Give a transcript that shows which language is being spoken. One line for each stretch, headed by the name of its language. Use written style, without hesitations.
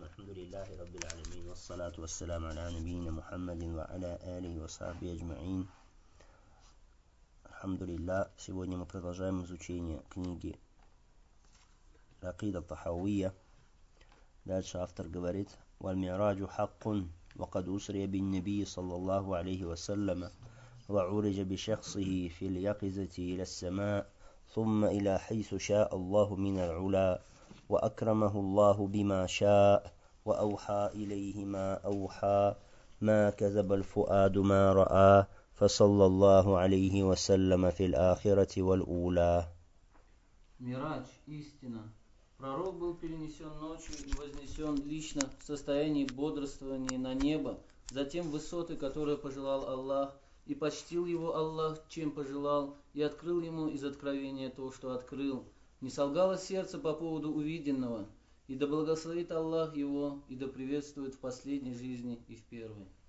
Arabic: الحمد لله رب العالمين، والصلاة والسلام على نبينا محمد وعلى آله وصحبه أجمعين. الحمد لله.
Russian: Сегодня мы продолжаем изучение книги العقيدة الطحاوية. Дальше автор говорит:
Arabic: والمعراج حق وقد أسري بالنبي صلى الله عليه وسلم وعرج بشخصه في اليقظة إلى السماء ثم إلى حيث شاء الله من العلا وأكرمه الله بما شاء وأوحى إليه ما أوحى ما كذب الفؤاد ما رأى فصلى الله عليه وسلم في الآخرة والأولى.
Russian: Мираж, истина. Пророк был перенесен ночью и вознесен лично в состоянии бодрствования на небо, затем высоты, которые пожелал Аллах, и почтил его Аллах, чем пожелал, и открыл ему из откровения то, что открыл. Не солгало сердце по поводу увиденного, и да благословит Аллах его, и да приветствует в последней жизни и в первой.